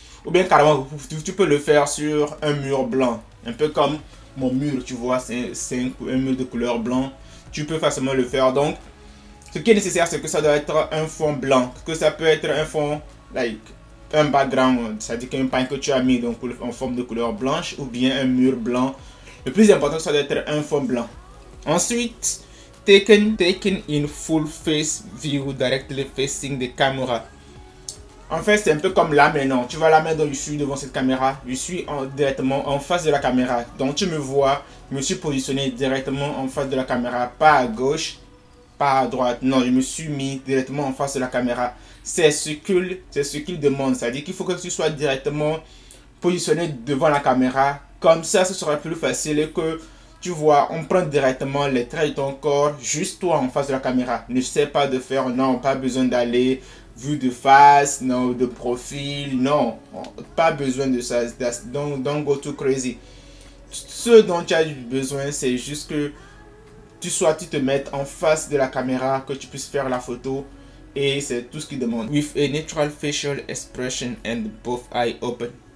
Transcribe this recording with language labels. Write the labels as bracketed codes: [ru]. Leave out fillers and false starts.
[fr] Ou bien carrément, tu peux le faire sur un mur blanc. Un peu comme mon mur, tu vois, c'est un mur de couleur blanc. Tu peux facilement le faire. Donc, ce qui est nécessaire, c'est que ça doit être un fond blanc. Que ça peut être un fond, un background. C'est-à-dire qu'un panier que tu as mis donc en forme de couleur blanche ou bien un mur blanc. Le plus important, ça doit être un fond blanc. Ensuite, [en] taken in full face view directly facing the camera. [fr] En fait, c'est un peu comme là maintenant. Tu vois la main dont je suis devant cette caméra. Je suis directement en face de la caméra. Donc, tu me vois, je me suis positionné directement en face de la caméra. Pas à gauche, pas à droite. Non, je me suis mis directement en face de la caméra. C'est ce qu'il demande. C'est-à-dire qu'il faut que tu sois directement positionné devant la caméra. Comme ça sera plus facile et que Tu vois, on prend directement les traits de ton corps, juste toi en face de la caméra. Ne sais pas de faire, non, pas besoin d'aller vue de face, non, de profil, non, pas besoin de ça. [en] Don't go too crazy. [fr] Ce dont tu as besoin, c'est juste que tu te mettes en face de la caméra, que tu puisses faire la photo, et c'est tout ce qu'il demande. [en] With a natural facial expression and both eyes open.